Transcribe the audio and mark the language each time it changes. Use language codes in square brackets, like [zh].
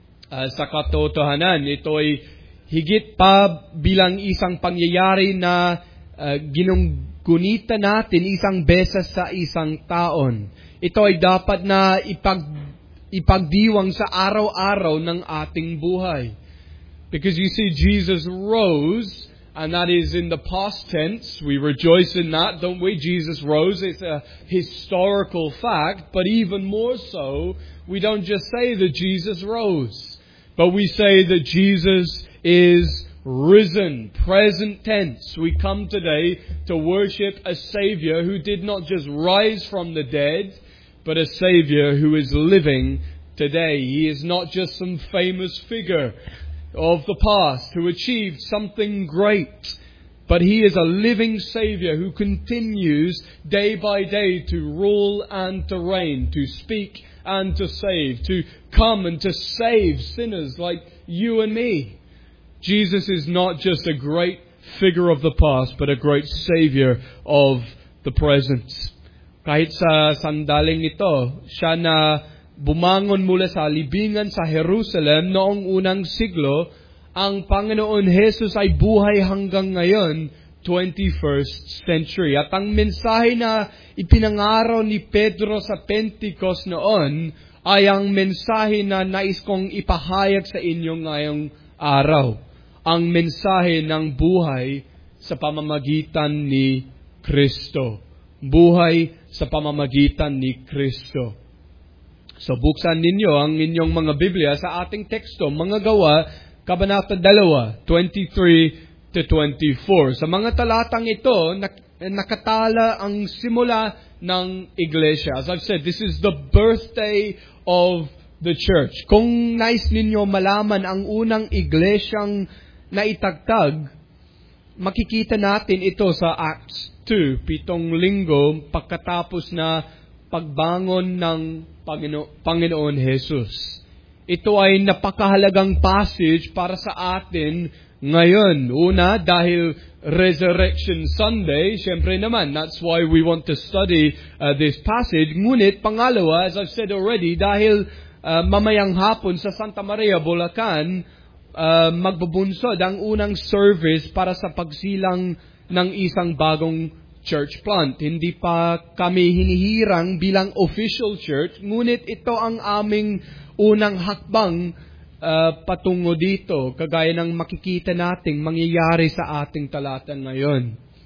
[tl] Sa katotohanan, ito ay higit pa bilang isang pangyayari na ginugunita natin isang beses sa isang taon. Ito ay dapat na ipagdiwang sa araw-araw ng ating buhay. [en] Because you see, Jesus rose And that is in the past tense. We rejoice in that, don't we? Jesus rose. It's a historical fact. But even more so, we don't just say that Jesus rose, but we say that Jesus is risen. Present tense. We come today to worship a Savior who did not just rise from the dead, but a Savior who is living today. He is not just some famous figure of the past who achieved something great, but He is a living Savior who continues day by day to rule and to reign, to speak and to save, to come and to save sinners like you and me. Jesus is not just a great figure of the past, but a great Savior of the present. [tl] Kahit sa sandaling ito, siya na bumangon mula sa libingan sa Jerusalem noong unang siglo, ang Panginoon Jesus ay buhay hanggang ngayon, 21st century. At ang mensahe na ipinangaraw ni Pedro sa Pentecost noon ay ang mensahe na nais kong ipahayag sa inyo ngayong araw. Ang mensahe ng buhay sa pamamagitan ni Kristo. Buhay sa pamamagitan ni Kristo. So buksan ninyo ang inyong mga Biblia sa ating teksto, mga Gawa, Kabanata 2, 23-24. Sa mga talatang ito, nakatala ang simula ng iglesia. [en] As I've said, this is the birthday of the church. [tl] Kung nais ninyo malaman ang unang iglesyang naitagtag, makikita natin ito sa Acts 2, 7 linggo pagkatapos na pagbangon ng Panginoon Jesus. Ito ay napakahalagang passage para sa atin ngayon. Una, dahil Resurrection Sunday, syempre naman, [en] that's why we want to study this passage. [tl] Ngunit, pangalawa, [en] as I've said already, [tl] dahil mamayang hapon sa Santa Maria, Bulacan, magbubunsod ang unang service para sa pagsilang ng isang bagong church plant. Hindi pa kami hinihirang bilang official church, ngunit ito ang aming unang hakbang patungo dito, kagaya ng makikita nating mangyayari sa ating talatang ngayon.